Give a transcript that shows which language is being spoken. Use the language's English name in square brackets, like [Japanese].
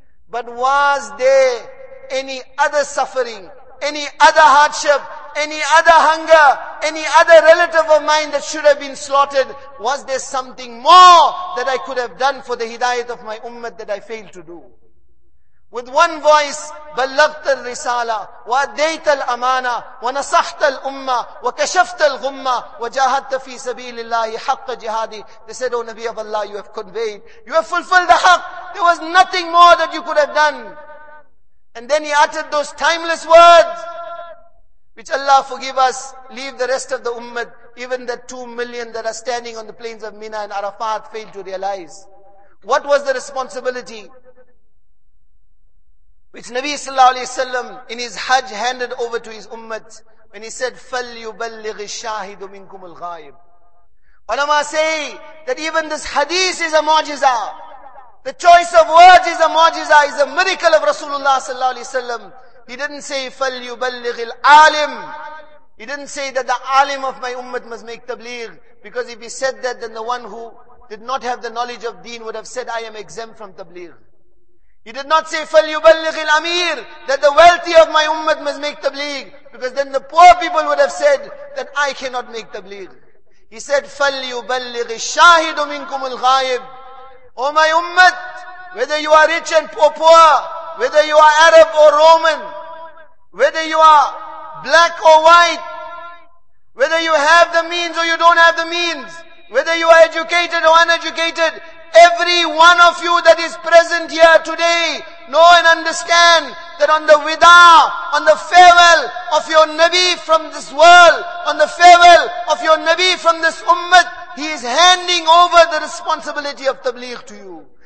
[English] But was there any other suffering, any other hardship, any other hunger, any other relative of mine that should have been slaughtered? Was there something more that I could have done for the hidayat of my ummah that I failed to do? With one voice, [Arabic] بَلَّغْتَ الرِّسَالَةِ وَأَدَّيْتَ الْأَمَانَةِ وَنَصَحْتَ الْأُمَّةِ وَكَشَفْتَ الْغُمَّةِ وَجَاهَدْتَ فِي سَبِيلِ اللَّهِ حَقَّ جِهَادِ. [English] They said, oh Nabi of Allah, you have conveyed, you have fulfilled the haqq. There was nothing more that you could have done. And then he uttered those timeless words, which Allah forgive us, leave the rest of the ummah, even the 2 million that are standing on the plains of Mina and Arafat, failed to realize. What was the responsibility which Nabi sallallahu alayhi wa sallam in his hajj handed over to his ummah when he said, [Arabic] فَلْيُبَلِّغِ الشَّاهِدُ مِنْكُمُ الْغَائِبُ. [English] Ulama say that even this hadith is a mu'jiza. The choice of words is a mu'jiza, is a miracle of Rasulullah sallallahu alayhi wa sallam. He didn't say, [Arabic] فَلْيُبَلِّغِ الْعَالِمِ. [English] He didn't say that the alim of my ummah must make tabligh. Because if he said that, then the one who did not have the knowledge of deen would have said, I am exempt from tabligh. He did not say, [Arabic] فَلْيُبَلِّغِ الْأَمِيرِ, [English] that the wealthy of my ummah must make tabligh. Because then the poor people would have said that I cannot make tabligh. He said, [Arabic] فَلْيُبَلِّغِ الشَّاهِدُ مِنْكُمُ الْغَائِبِ. [English] O my ummah, whether you are rich and poor, whether you are Arab or Roman, whether you are black or white, whether you have the means or you don't have the means, whether you are educated or uneducated, every one of you that is present here today, know and understand that on the wida, on the farewell of your Nabi from this world, on the farewell of your Nabi from this ummah, he is handing over the responsibility of tabligh to you.